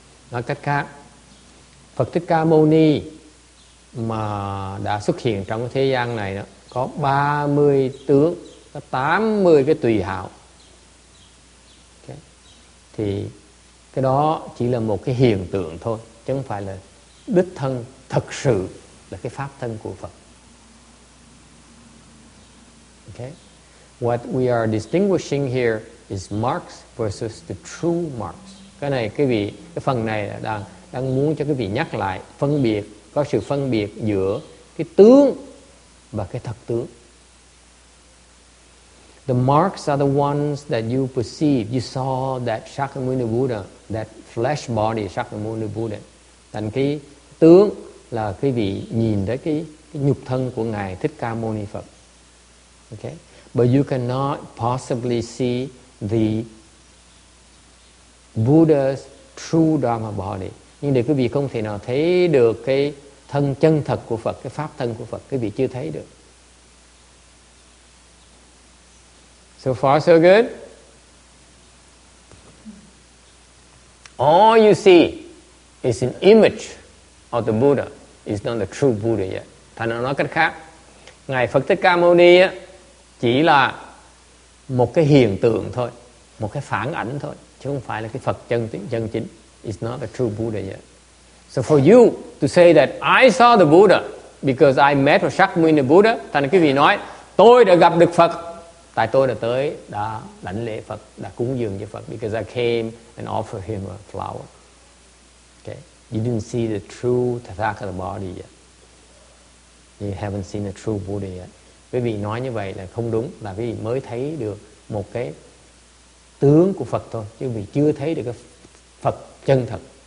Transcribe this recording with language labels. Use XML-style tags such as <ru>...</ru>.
<vi>Nói cách khác, Phật Thích Ca Mâu Ni mà đã xuất hiện trong cái thế gian này đó, có 30 tướng, có 80 cái tùy hảo. Okay. Thì cái đó chỉ là một cái hiện tượng thôi, chứ không phải là đích thân thật sự là cái pháp thân của Phật. Okay.</vi> <en>What we are distinguishing here is marks versus the true marks.</en> <vi>Cái này quý vị, cái phần này đang muốn cho quý vị nhắc lại phân biệt, có sự phân biệt giữa cái tướng và cái thật tướng.</vi> <en>The marks are the ones that you perceive. You saw that Shakyamuni Buddha, that flesh body Shakyamuni Buddha.</en> <vi>Thành cái tướng là quý vị nhìn thấy cái nhục thân của Ngài Thích Ca Mâu Ni Phật. Okay?</vi> <en>But you cannot possibly see the Buddha's true Dharma body.</en> <vi>Nhưng để quý vị không thể nào thấy được cái thân chân thật của Phật, cái pháp thân của Phật, quý vị chưa thấy được.</vi> <en>So far so good? All you see is an image of the Buddha. It's not the true Buddha yet.</en> <vi>Thành ra nói cách khác, Ngài Phật Thích Ca Mâu Ni á, chỉ là một cái hiện tượng thôi, một cái phản ảnh thôi, chứ không phải là cái Phật chân chính.</vi> <en>It's not the true Buddha yet. So for you to say that I saw the Buddha because I met with Shakyamuni Buddha,</en> <vi>thành quý vị nói tôi đã gặp được Phật tại tôi đã tới, đã đảnh lễ Phật, đã cúng dường cho Phật,</vi> <en>because I came and offered him a flower. Okay, you didn't see the true Tathagata body yet. You haven't seen the true Buddha yet.</en> <vi>Quý vị nói như vậy là không đúng, là quý vị mới thấy được một cái tướng của Phật thôi, chứ quý vị chưa thấy được cái Phật chân thật.</vi>